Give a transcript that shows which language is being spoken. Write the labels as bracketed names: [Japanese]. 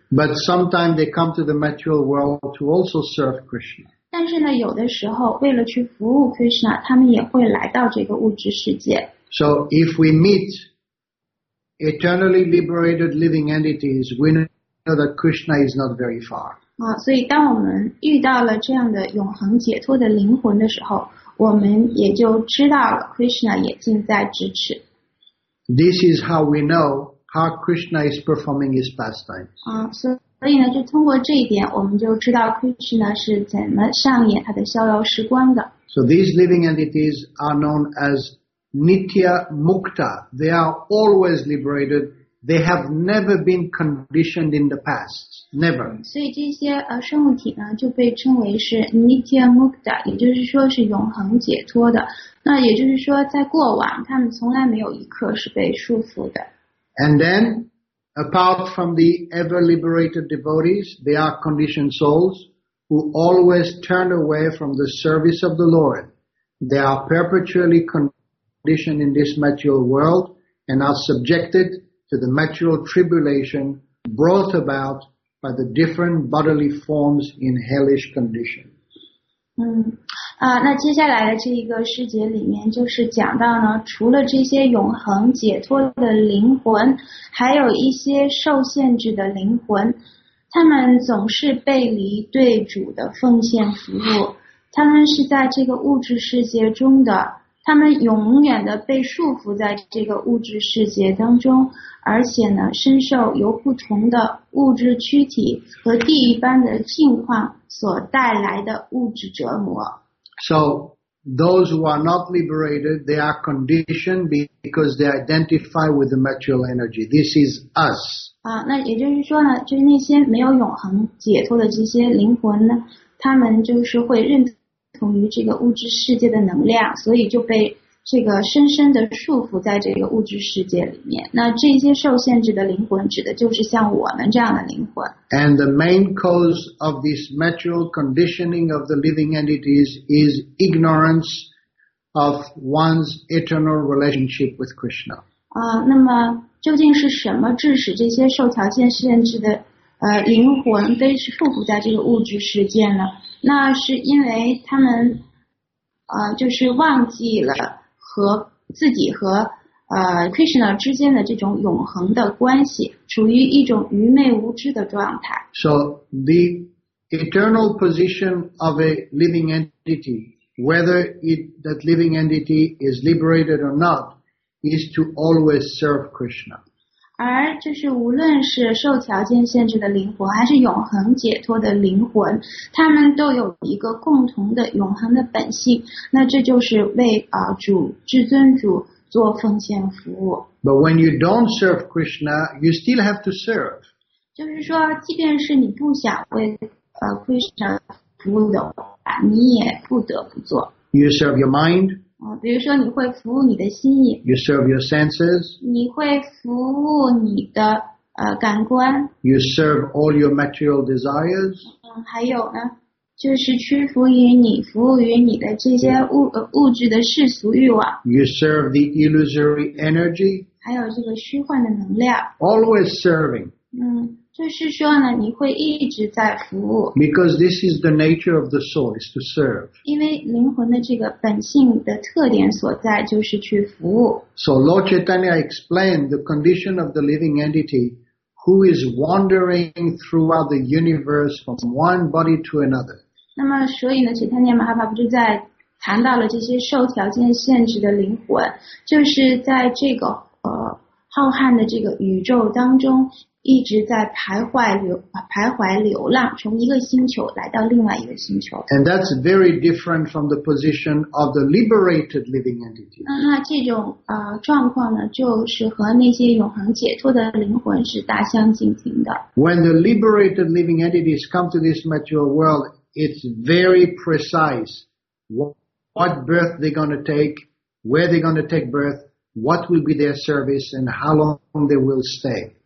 [English] But sometimes they come to the material world to also serve Krishna. [Chinese] 但是呢，有的时候为了去服务 Krishna, 他们也会来到这个物质世界。 [English] So if we meet. Eternally liberated living entities, we know that Krishna is not very far. [Chinese] 所以当我们遇到了这样的永恒解脱的灵魂的时候，我们也就知道了 Krishna 也近在咫尺。 [English] This is how we know how Krishna is performing his pastimes. [Chinese] 所以呢，就通过这一点，我们就知道 Krishna 是怎么上演他的逍遥时光的。 [English] So these living entities are known as. Nitya Mukta, they are always liberated. They have never been conditioned in the past, never. [Chinese] 所以这些生物体呢就被称为是 Nitya Mukta, 也就是说是永恒解脱的。那也就是说，在过往，他们从来没有一刻是被束缚的。 [English] And then, apart from the ever liberated devotees, they are conditioned souls who always turn away from the service of the Lord. They are perpetually conditioned in this material world and are subjected to the material tribulation brought about by the different bodily forms in hellish conditions. [Chinese] 那接下来的这一个世节里面就是讲到呢，除了这些永恒解脱的灵魂，还有一些受限制的灵魂，他们总是背离对主的奉献服务，他们是在这个物质世界中的。他们永远的被束缚在这个物质世界当中，而且呢，深受由不同的物质躯体和地狱般的境况所带来的物质折磨。 [English] So those who are not liberated, they are conditioned because they identify with the material energy. This is us. [Chinese] 那也就是说呢，就是那些没有永恒解脱的这些灵魂呢，他们就是会认同。同于这个物质世界的能量，所以就被这个深深的束缚在这个物质世界里面。那这些受限制的灵魂，指的就是像我们这样的灵魂。 [English] And the main cause of this material conditioning of the living entities is ignorance of one's eternal relationship with Krishna. [Chinese] 那么究竟是什么致使这些受条件限制的灵魂被束缚在这个物质世界呢？那是因为他们就是忘记了和自己和Krishna 之间的这种永恒的关系，处于一种愚昧无知的状态。 [English] So the eternal position of a living entity whether that living entity is liberated or not, is to always serve Krishna. [Chinese] 而就是无论是受条件限制的灵魂，还是永恒解脱的灵魂，他们都有一个共同的永恒的本性，那这就是为主至尊主做奉献服务。 [English] But when you don't serve Krishna, you still have to serve. [Chinese] 就是说，即便是你不想为Krishna 服务的话，你也不得不做。 [English] You serve your mind. [Chinese] 比如说你会服务你的心意。 [English] You serve your senses. [Chinese] 你会服务你的感官。 [English] You serve all your material desires. [Chinese] 还有呢，就是屈服于你，服务于你的这些物质的世俗欲望。 [English] You serve the illusory energy. [Chinese] 还有这个虚幻的能量。 [English] Always serving. [Chinese] 就是说呢，你会一直在服务。 [English] Because this is the nature of the soul, is to serve. [Chinese] 因为灵魂的这个本性的特点所在就是去服务。 [English] So Lord Chaitanya explained the condition of the living entity who is wandering throughout the universe from one body to another. [Chinese] 那么所以呢，齐檀尼玛哈巴布就在谈到了这些受条件限制的灵魂，就是在这个浩瀚的这个宇宙当中一直在徘徊流浪，从一个星球来到另外一个星球。 [English] And that's very different from the position of the liberated living entity. [Chinese] 那这种状况呢，就是和那些永恒解脱的灵魂是大相径庭的。 [English] When the liberated living entities come to this material world, it's very precise what birth they're going to take, where they're going to take birth, what will be their service, and how long they will stay.